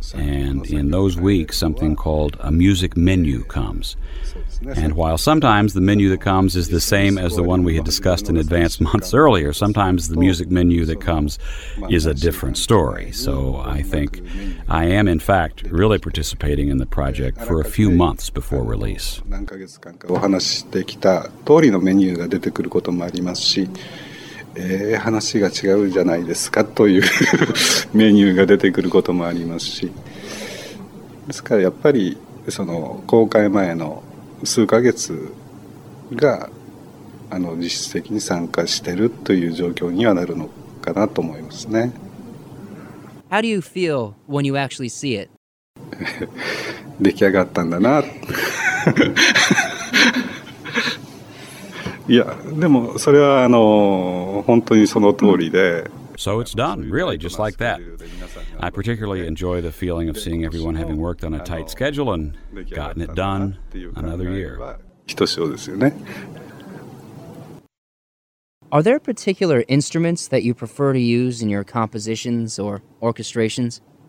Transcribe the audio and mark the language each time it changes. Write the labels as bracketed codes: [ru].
[en] And in those weeks, something called a music menu comes. And while sometimes the menu that comes is the same as the one we had discussed in advance months earlier, sometimes the music menu that comes is a different story. So I think I am, in fact, really participating in the project for a few months before release. [ja] 何ヶ月間かお話してきた通りのメニューが出てくることもありますし、話が違うじゃないですかというメニューが出てくることもありますし、ですからやっぱりその公開前の数ヶ月が実質的に参加しているという状況にはなるのかなと思いますね。 [en] How do you feel when you actually see it? [ja] 出来上がったんだな。いやでもそれは本当にその通りで。 [en] So it's done, really, just like that. I particularly enjoy the feeling of seeing everyone having worked on a tight schedule and gotten it done another year. [ja] ひとしおですよね。 [en] Are there particular instruments that you prefer to use in your compositions or orchestrations?